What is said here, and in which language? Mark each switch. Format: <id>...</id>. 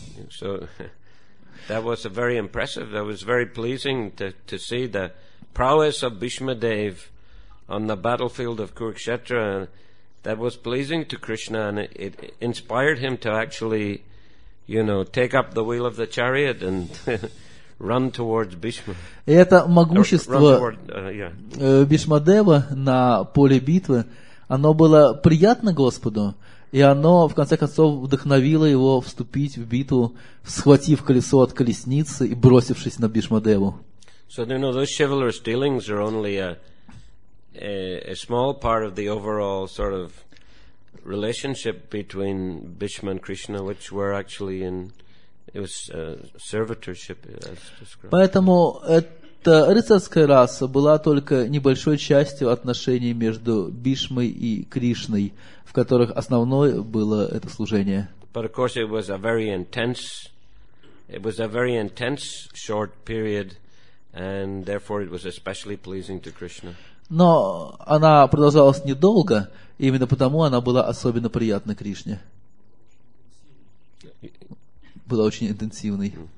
<en>So that was a very impressive. That was very pleasing to see the prowess of Bhishma Dev on the battlefield of Kurukshetra. That was pleasing to Krishna, and it inspired him to actually, you know, take up the wheel of the chariot and run towards Bhishma.</en> <ru>И это могущество Бхишмадева на поле битвы, оно было приятно Господу, и оно, в конце концов, вдохновило его вступить в битву, схватив колесо от колесницы и бросившись на Бхишмадеву.</ru> <en>So, you know, those chivalrous dealings are only a small part of the overall sort of relationship between Bhishma and Krishna, which were actually in, it was servitorship, as described.</en> <ru>Поэтому эта рыцарская раса была только небольшой частью отношений между Бишмой и Кришной, в которых основное было это служение.</ru> <en>But of course it was a very intense short period, and therefore it was especially pleasing to Krishna.</en> <ru>Но она продолжалась недолго, и именно потому она была особенно приятна Кришне. Была очень интенсивной.</ru>